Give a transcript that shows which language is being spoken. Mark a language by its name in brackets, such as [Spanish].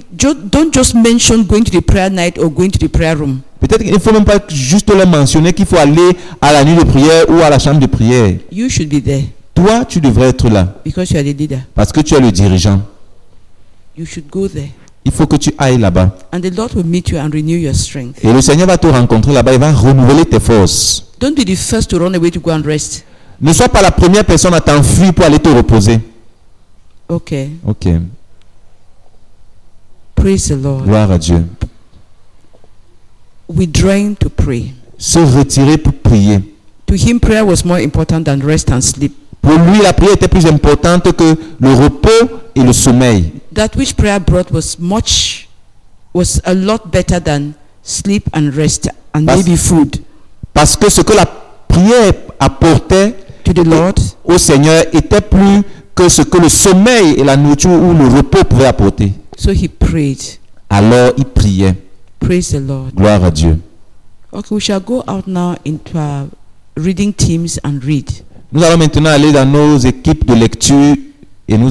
[English] Don't just mention going to the prayer night or going to the prayer room. [French] Peut-être qu'il ne faut même pas juste leur mentionner qu'il faut aller à la nuit de prière ou à la chambre de prière. [English] You should be there. [French] Toi, tu devrais être là. [English] Because you are the leader. [French] Parce que tu es le dirigeant. [English] You should go there. [French] Il faut que tu ailles là-bas. [English] And the Lord will meet you and renew your strength. [French] Et le Seigneur va te rencontrer là-bas et va renouveler tes forces. [English] Don't be the first to run away to go and rest. [French] Ne sois pas la première personne à t'enfuir pour aller te reposer. Okay. Okay. [English] Praise the Lord. [French] Gloire à Dieu. [English] Withdrawing to pray. [French] Se retirer pour prier. [English] To him, prayer was more important than rest and sleep. [French] Pour lui, la prière était plus importante que le repos et le sommeil. [English] That which prayer brought was a lot better than sleep and rest and maybe food. [French] Parce que ce que la prière apportait [English] to the Lord, [French] au Seigneur était plus que ce que le sommeil et la nourriture ou le repos pouvaient apporter. [English] So he prayed. [French] Alors il priait. [English] Praise the Lord. [French] Gloire à Dieu. [English] Okay, we shall go out now into our reading teams and read. [French] Nous allons maintenant aller dans nos équipes de lecture et nous allons